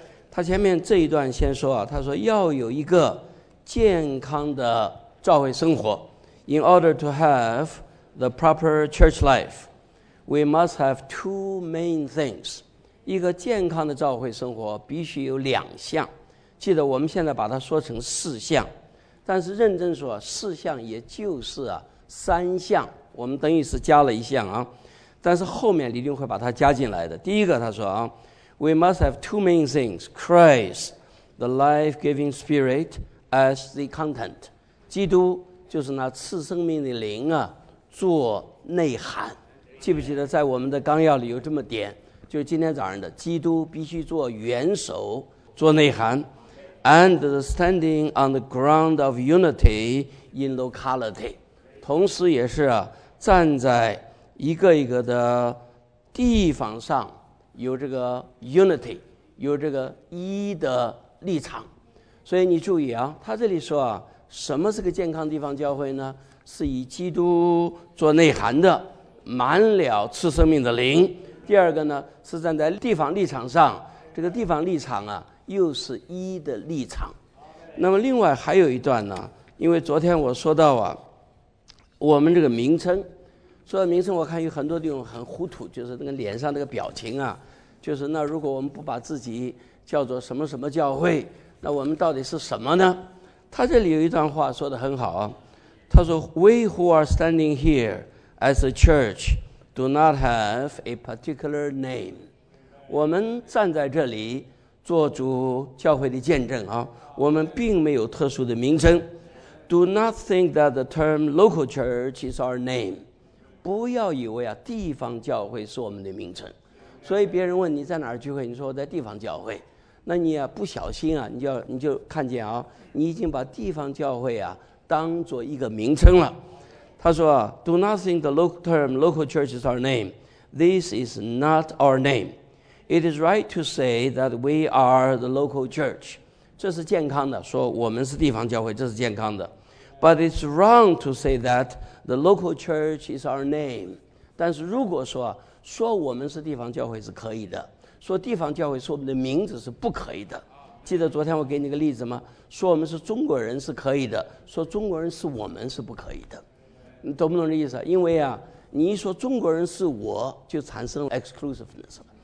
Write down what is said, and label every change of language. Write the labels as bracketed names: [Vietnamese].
[Chinese] 他前面这一段先说啊，他说要有一个健康的教会生活 ， [English] In order to have the proper church life, we must have two main things。 [Chinese] 一个健康的教会生活必须有两项，记得我们现在把它说成四项，但是认真说，四项也就是啊三项，我们等于是加了一项啊，但是后面李丁会把它加进来的。第一个他说啊。 [English] We must have two main things, Christ, the life-giving spirit, as the content. [Chinese] 基督就是那赐生命的灵啊，做内涵。记不记得在我们的纲要里有这么点，就是今天早上的，基督必须做元首，做内涵。 [English] And the standing on the ground of unity in locality. [Chinese] 同时也是啊，站在一个一个的地方上有这个 unity， 有这个一的立场。所以你注意啊，他这里说啊，什么是个健康地方教会呢？是以基督做内涵的，满了赐生命的灵。第二个呢，是站在地方立场上，这个地方立场啊，又是一的立场。那么另外还有一段呢，因为昨天我说到啊，我们这个名称，说到名称，我看有很多地方很糊涂，就是那个脸上那个表情啊，就是那如果我们不把自己叫做什么什么教会，那我们到底是什么呢？他这里有一段话说得很好啊，他说 [English] We who are standing here as a church do not have a particular name。 [Chinese] 我们站在这里做主教会的见证啊，我们并没有特殊的名称。 [English] Do not think that the term local church is our name。 [Chinese] 不要以为啊，地方教会是我们的名称，所以别人问你在哪儿聚会，你说我在地方教会，那你啊不小心啊，你就看见啊，你已经把地方教会啊当做一个名称了。他说啊 [English] ，Do not think the local term local church is our name. This is not our name. It is right to say that we are the local church. [Chinese] 这是健康的，说我们是地方教会，这是健康的。 [English] But it's wrong to say that the local church is our name. [Chinese] 但是如果说，说我们是地方教会是可以的，说地方教会是我们的名字是不可以的。记得昨天我给你个例子吗？说我们是中国人是可以的，说中国人是我们是不可以的。你懂不懂这意思？因为啊，你一说中国人是我，就产生了 exclusiveness 了。